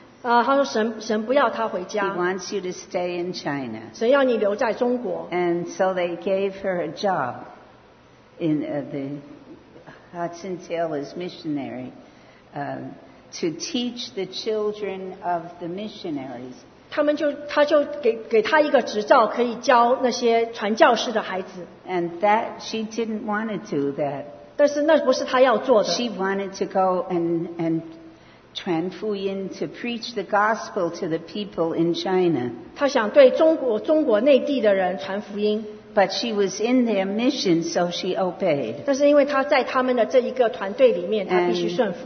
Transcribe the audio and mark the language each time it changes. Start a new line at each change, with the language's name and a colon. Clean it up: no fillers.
Chinese: 他说神不要他回家。
English: He wants you to stay in China.
Chinese: 神要你留在中国。
English: And so they gave her a job in the Hudson Taylor's missionary to teach the children of the missionaries.
Chinese: 他就给他一个执照，可以教那些传教士的孩子。
English: And that she didn't want to do that.
Chinese: 但是那不是他要做的。
English: She wanted to go and
Chinese: 传福音
English: to preach the gospel to the people in China.
Chinese: 她想对中国内地的人传福音。
English: But she was in their mission, so she obeyed.
Chinese: 但是因为她在他们的这一个团队里面，她必须顺服。